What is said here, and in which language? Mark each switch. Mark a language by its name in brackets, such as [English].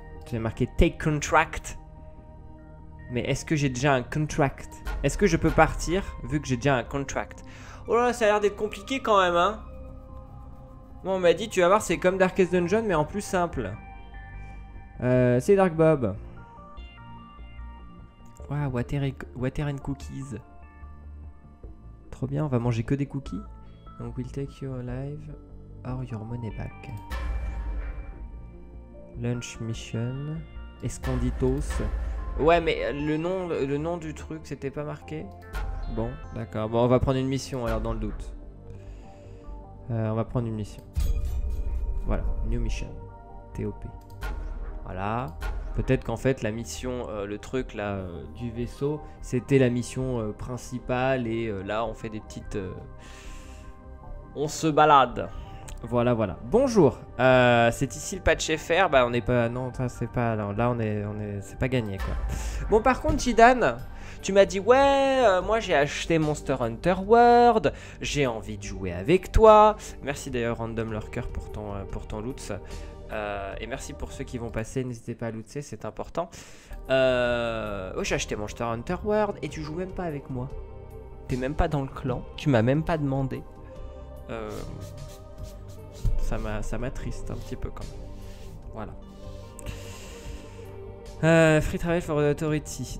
[French] J'ai marqué [English] take contract. [French] Mais est-ce que j'ai déjà un contract? Est-ce que je peux partir vu que j'ai déjà un contract? Oh là là, ça a l'air d'être compliqué quand même, hein. Bon, on m'a dit, tu vas voir, c'est comme Darkest Dungeon, mais en plus simple. C'est Dark Bob. Waouh, [English] water and cookies. [French] Trop bien, on va manger que des cookies. [English] Donc, we'll take your life or your money back. Lunch mission. Esconditos. [French] Ouais, mais le nom du truc, c'était pas marqué. Bon, d'accord. Bon, on va prendre une mission, alors, dans le doute. On va prendre une mission. Voilà. [English] New mission. [French] T.O.P. Voilà. Peut-être qu'en fait, la mission, le truc, là, du vaisseau, c'était la mission principale. Et là, on fait des petites... On se balade. Voilà. Bonjour. C'est ici le patch FR. Bah, on n'est pas. Non, ça c'est pas. Non, là, on est. C'est pas gagné, quoi. Bon, par contre, Jidan, tu m'as dit ouais. Moi, j'ai acheté Monster Hunter World. J'ai envie de jouer avec toi. Merci d'ailleurs, Random Lurker, pour ton loot. Et merci pour ceux qui vont passer. N'hésitez pas à looter, c'est important. J'ai acheté Monster Hunter World et tu joues même pas avec moi. T'es même pas dans le clan. Tu m'as même pas demandé. Ça m'attriste un petit peu quand même. Voilà. [English] Free Travel for the Authority.